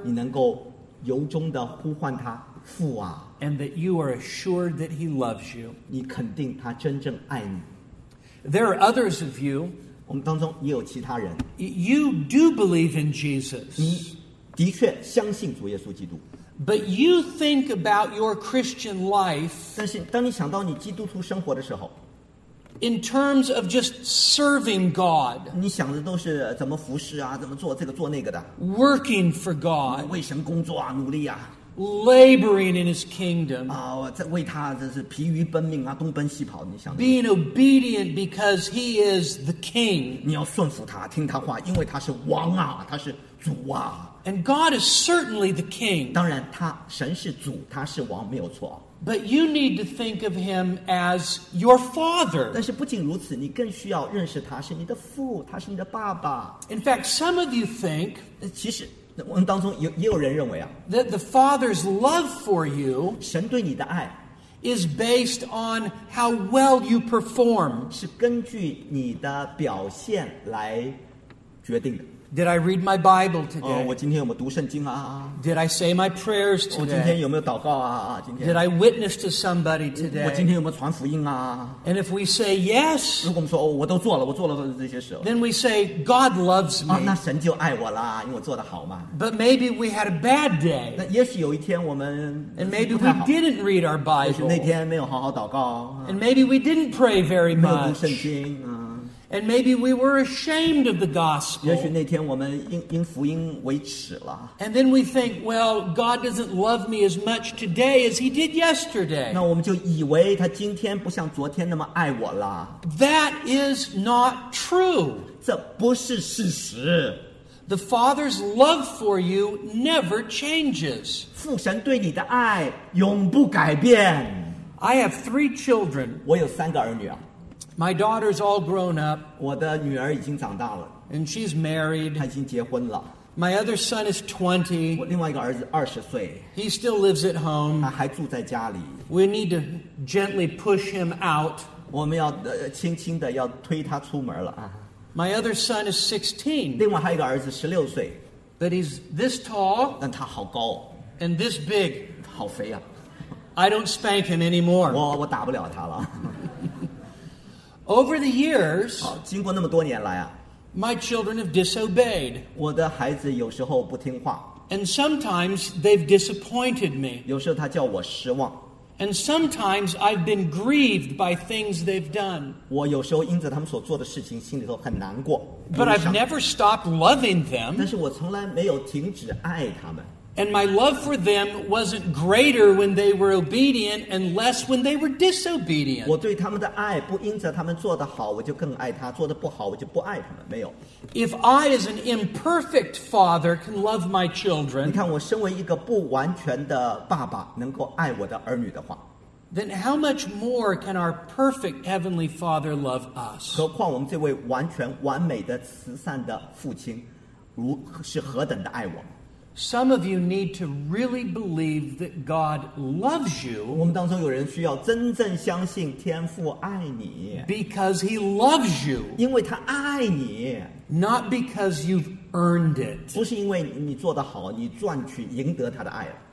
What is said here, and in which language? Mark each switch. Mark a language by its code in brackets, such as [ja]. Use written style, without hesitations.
[zh] 你能够由衷地呼唤他父啊。 [en] And that you are assured that he loves you. [zh] 你肯定他真正爱你。 [en] There are others of you. [zh] 我们当中也有其他人。 [en] You do believe in Jesus. [zh] 你的确相信主耶稣基督。 [en] But you think about your Christian life. [zh] 但是当你想到你基督徒生活的时候。 [en] In terms of just serving God. [zh] 你想的都是怎么服侍啊，怎么做这个做那个的。 [en] Working for God. [zh] 为神工作啊，努力啊。 [en] Laboring in his kingdom. [zh] 啊，在为他这是疲于奔命啊，东奔西跑，你想的。 [en] Being obedient because he is the king. [zh] 你要顺服他，听他话，因为他是王啊，他是主啊。 [en] And God is certainly the king. [zh] 当然他，神是主，他是王，没有错。 [en] But you need to think of him as your father. [zh] 但是不仅如此，你更需要认识他是你的父，他是你的爸爸。 [en] In fact, some of you think, [zh] 其实我们当中也有人认为啊， [en] that the father's love for you, [zh] 神对你的爱， [en] is based on how well you perform. [zh] 是根据你的表现来决定的。 [en] Did I read my Bible today? [zh] 哦，我今天有没有读圣经啊？ [en] Did I say my prayers today? [zh] 我今天有没有祷告啊？今天。 [en] Did I witness to somebody today? [zh] 我今天有没有传福音啊？ [en] And if we say yes, [zh] 如果我们说，哦，我都做了，我做了这些事。 [en] Then we say, God loves me. [zh] 哦，那神就爱我啦，因为我做得好嘛。 [en] But maybe we had a bad day. [zh] 那也许有一天我们。 [en] And maybe we didn't read our Bible. [zh] 也许那天没有好好祷告。 [en] And maybe we didn't pray very much. [zh] 没有读圣经。 [en] And maybe we were ashamed of the gospel. [zh] 也许那天我们因福音为耻了。 [en] And then we think, well, God doesn't love me as much today as he did yesterday. [zh] 那我们就以为他今天不像昨天那么爱我了。 [en] That is not true. [zh] 这不是事实。 [en] The Father's love for you never changes. [zh] 父神对你的爱永不改变。 [en] I have three children. [zh] 我有三个儿女啊。 [en] My daughter's all grown up. [zh] 我的女儿已经长大了。 [en] And she's married. [zh] 她已经结婚了。 [en] My other son is 20. [zh] 我另外一个儿子20岁。 [en] He still lives at home. [zh] 他还住在家里。 [en] We need to gently push him out. [zh] 我们要轻轻的要推他出门了。 [en] My other son is 16. [zh] 另外还有一个儿子16岁。 [en] But he's this tall. [zh] 但他好高。 [en] And this big. [zh] 好肥啊。 [en] I don't spank him anymore. [zh] 我打不了他了。 [en] Over the years, [zh] 经过那么多年来啊， [en] my children have disobeyed. [zh] 我的孩子有时候不听话。 [en] And sometimes they've disappointed me. [zh] 有时候他叫我失望。 [en] And sometimes I've been grieved by things they've done. [zh] 我有时候因着他们所做的事情心里头很难过。 [en] But I've never stopped loving them. [zh] 但是我从来没有停止爱他们。 [en] And my love for them wasn't greater when they were obedient and less when they were disobedient. [zh] 我对他们的爱不因着他们做得好我就更爱他，做得不好我就不爱他们，没有。 [en] If I as an imperfect father can love my children, [zh] 你看我身为一个不完全的爸爸能够爱我的儿女的话， [en] then how much more can our perfect heavenly father love us? [zh] 何况我们这位完全完美的慈善的父亲如是何等的爱我。 [en] Some of you need to really believe that God loves you. [zh] 我们当中有人需要真正相信天父爱你。 [en] Because he loves you. [zh] 因为他爱你。 [en] Not because you've earned it. [zh] 不是因为你做得好，你赚取赢得他的爱了。